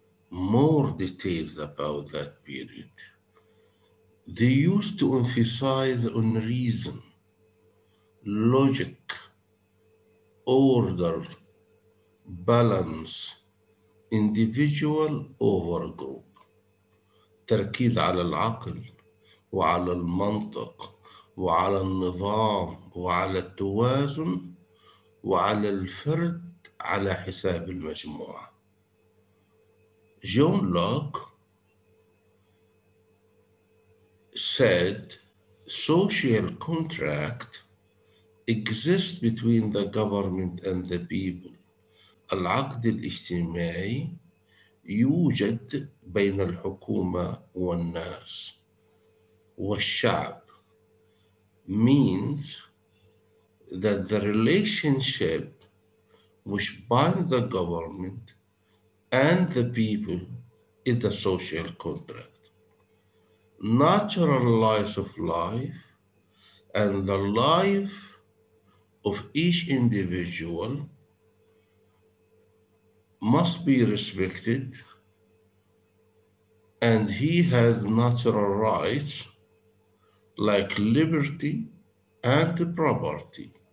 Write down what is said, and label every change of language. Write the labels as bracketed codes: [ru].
[en] More details about that period. They used to emphasize on reason, logic, order, balance, individual over group. [ar] تركيز على العقل وعلى المنطق وعلى النظام وعلى التوازن وعلى الفرد على حساب المجموعة. [en] John Locke said social contract exists between the government and the people. [ar] العقد الاجتماعي يوجد بين الحكومة والناس والشعب. [en] Means that the relationship which binds the government and the people is a social contract. Natural laws of life and the life of each individual must be respected, and he has natural rights like liberty and property.